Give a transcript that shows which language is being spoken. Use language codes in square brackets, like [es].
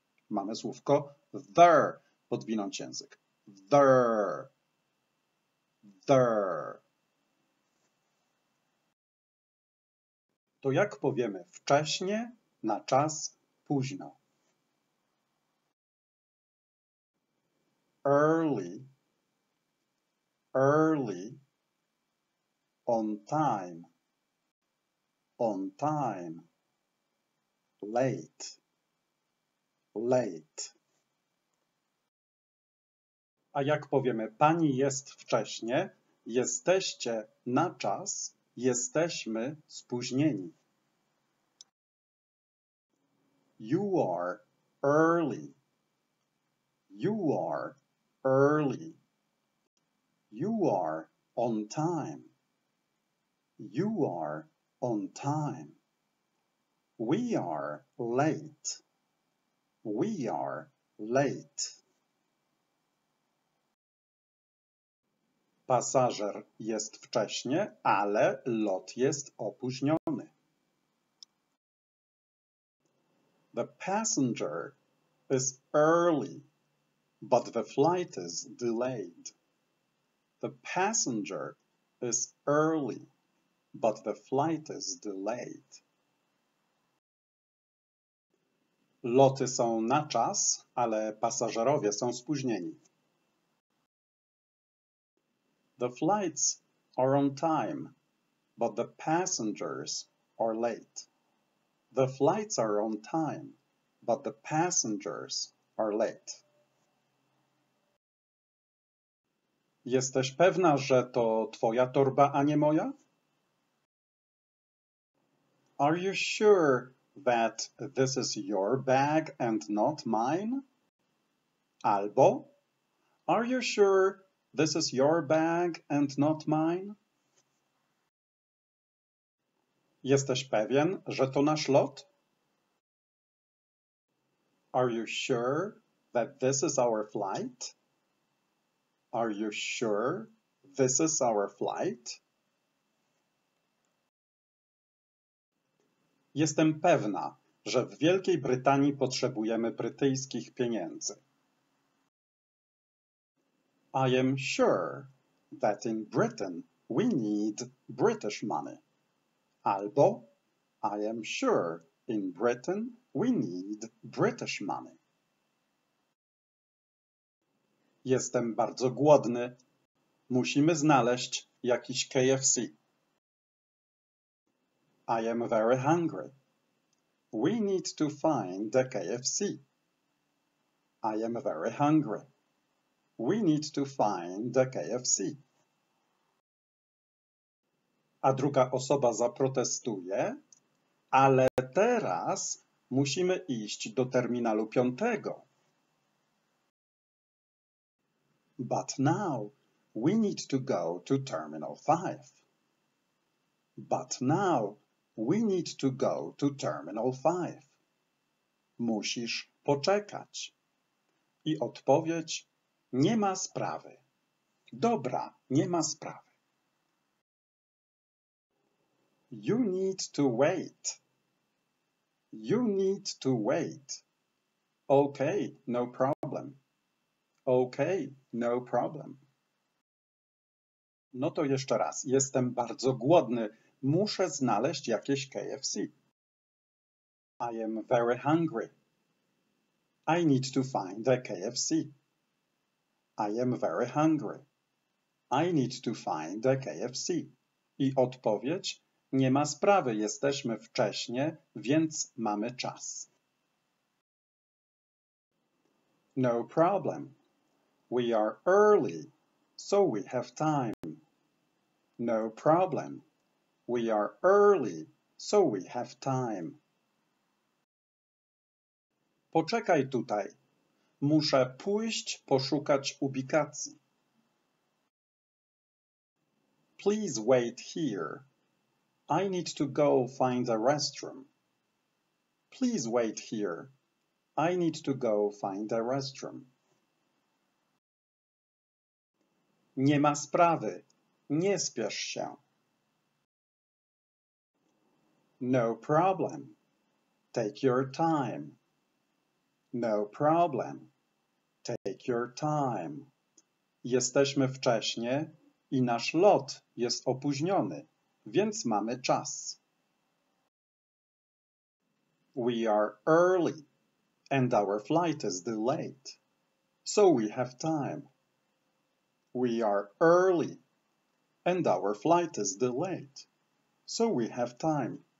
[pl] Mamy słówko [en] there. [pl] Podwinąć język. [en] There. There. [pl] To jak powiemy wcześnie na czas późno? [en] Early, early, on time, on time, late, late. [pl] A jak powiemy pani jest wcześnie, jesteście na czas, jesteśmy spóźnieni. [en] You are early. You are early. You are on time. You are on time. We are late. We are late. [pl] Pasażer jest wcześnie, ale lot jest opóźniony. [en] The passenger is early, but the flight is delayed. The passenger is early, but the flight is delayed. [pl] Loty są na czas, ale pasażerowie są spóźnieni. [en] The flights are on time, but the passengers are late. The flights are on time, but the passengers are late. [pl] Jesteś pewna, że to twoja torba, a nie moja? [en] Are you sure that this is your bag and not mine? [pl] Albo, [en] are you sure this is your bag and not mine? [pl] Jesteś pewien, że to nasz lot? [en] Are you sure that this is our flight? Are you sure this is our flight? [pl] Jestem pewna, że w Wielkiej Brytanii potrzebujemy brytyjskich pieniędzy. [en] I am sure that in Britain we need British money. [pl] Albo, [en] I am sure in Britain we need British money. [pl] Jestem bardzo głodny. Musimy znaleźć jakiś KFC. [en] I am very hungry. We need to find a KFC. I am very hungry. We need to find a KFC. [pl] A druga osoba zaprotestuje, ale teraz Musimy iść do terminalu 5. [en] But now we need to go to terminal 5. But now we need to go to terminal 5. [pl] Musisz poczekać. I odpowiedź: nie ma sprawy. Dobra, nie ma sprawy. [en] You need to wait. You need to wait. Okay, no problem. Okay, no problem. [pl] No to jeszcze raz. Jestem bardzo głodny. Muszę znaleźć jakieś KFC. [en] I am very hungry. I need to find a KFC. I am very hungry. I need to find a KFC. [pl] I odpowiedź: nie ma sprawy, jesteśmy wcześnie, więc mamy czas. [en] No problem. We are early, so we have time. No problem. We are early, so we have time. [pl] Poczekaj tutaj. Muszę pójść poszukać ubikacji. [en] Please wait here. I need to go find a restroom. Please wait here. I need to go find a restroom. [pl] Nie ma sprawy. Nie spiesz się. [en] No problem. Take your time. No problem. Take your time. [pl] Jesteśmy wcześnie i nasz lot jest opóźniony, więc mamy czas. [en] We are early and our flight is delayed, so we have time. We are early and our flight is delayed, so we have time.